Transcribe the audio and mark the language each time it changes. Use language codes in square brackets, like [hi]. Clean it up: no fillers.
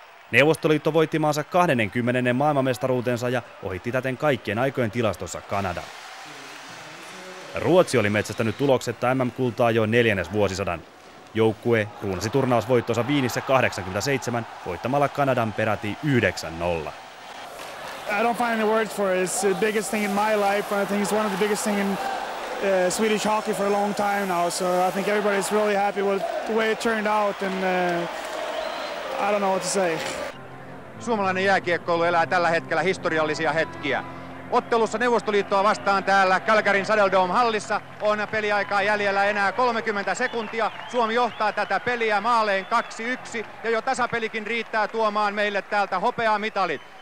[fi] Neuvostoliitto voitti maansa 20. maailmanmestaruutensa ja ohitti täten kaikkien aikojen tilastossa Kanada. Ruotsi oli metsästänyt tuloksetta MM-kultaa jo 4. vuosisadan. Joukkue kruunasi turnausvoittonsa Wienissä 87 voittamalla Kanadan peräti 9-0. [en] I don't find any words for it. It's the biggest thing in my life. I think it's one of the biggest thing in Swedish hockey for a long time now. So I think everybody is really happy with the way it turned out and I don't know what to say. [fi] Suomalainen jääkiekkoilu elää tällä hetkellä historiallisia hetkiä. Ottelussa Neuvostoliittoa vastaan täällä Calgaryn Saddle Dome -hallissa on peliaikaa jäljellä enää 30 sekuntia. Suomi johtaa tätä peliä maaleen 2-1 ja jo tasapelikin riittää tuomaan meille täältä hopeamitalit.